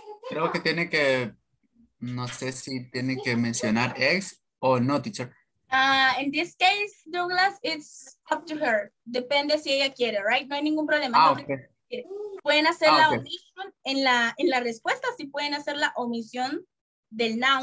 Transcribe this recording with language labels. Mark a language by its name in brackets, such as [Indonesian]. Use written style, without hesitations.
[Spanish] Creo que tiene que, no sé si tiene que mencionar eggs o no, teacher. [English] In this case, Douglas, it's up to her. [Spanish] Depende si ella quiere, right? No hay ningún problema. Ah, no, okay. Pueden hacer la omisión en la respuesta, si pueden hacer la omisión del noun.